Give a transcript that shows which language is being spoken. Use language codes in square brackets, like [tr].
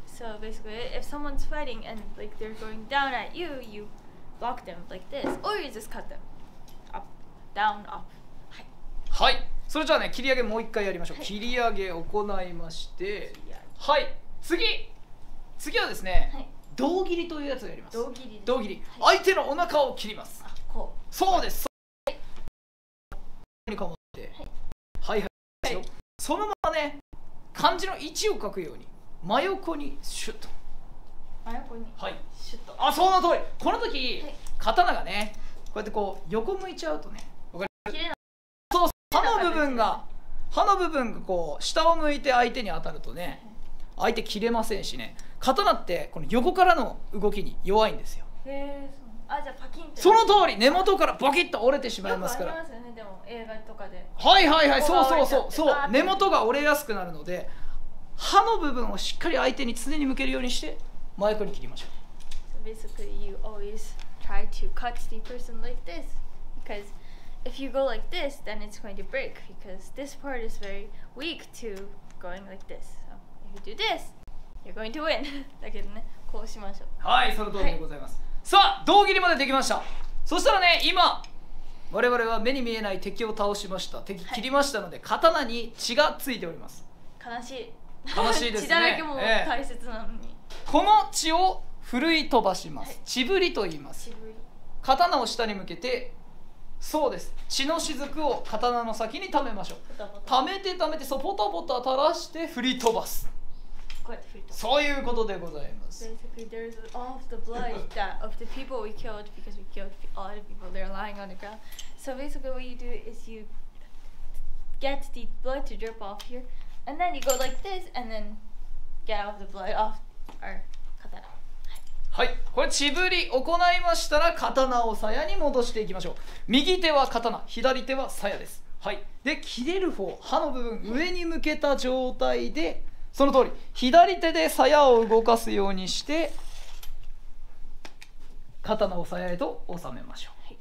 [en] So basically if someone's fighting and like they're going down at you, you block them like this, or you just cut them up, down, up. [ja] はい。はい。それじゃあね、切り上げもう一回やりましょう。切り上げ行いまして、はい。次、次はですね。はい、胴切りというやつをやります。胴切り、胴切り、はい、相手のお腹を切ります。こう、そうです、はい、に構って、はい、はいはい、はい、そのままね、漢字の位置を書くように真横にシュッと、真横に、はい、シュッと、あ、その通り、この時、はい、刀がね、こうやってこう横向いちゃうとね、わかります、切れない、そう、刃の部分が、刃の部分がこう下を向いて相手に当たるとね、はい、相手切れませんしね、刀ってこの横からの動きに弱いんですよ。へえ、そう。あ、じゃあパキンと。その通り、根元からボキッと折れてしまいますから。よくありますよね、でも映画とかで。はいはいはい、そうそうそうそう、根元が折れやすくなるので、刃の部分をしっかり相手に常に向けるようにして真横に切りましょう。 [en] So basically, you always try to cut the person like this because if you go like this, then it's going to break because this part is very weak to going like this. So if you do this. You're going to win. [ja] だけどね、こうしましょう。はい、その通りでございます、はい、さあ、胴切りまでできました。そしたらね、今我々は目に見えない敵を倒しました、敵切りましたので、はい、刀に血がついております。悲しい悲しいですね。血だらけも大切なのに、この血を振るい飛ばします。血振りと言います。血振り、刀を下に向けて、そうです、血の雫を刀の先に溜めましょう。溜めて溜めて、そうポタポタ垂らして振り飛ばす。こうやって振り飛ばす、そういうことでございます。 [en] Basically there's all of the blood that of the people we killed because we killed all the people they're lying on the ground. So basically what you do is you get the blood to drip off here and then you go like this and then get off the blood off our katana. [ja] はい、これ血振り行いましたら刀を鞘に戻していきましょう。右手は刀、左手は鞘です。はい、で切れる方、刃の部分上に向けた状態で、その通り左手で鞘を動かすようにして刀を鞘へと収めましょう。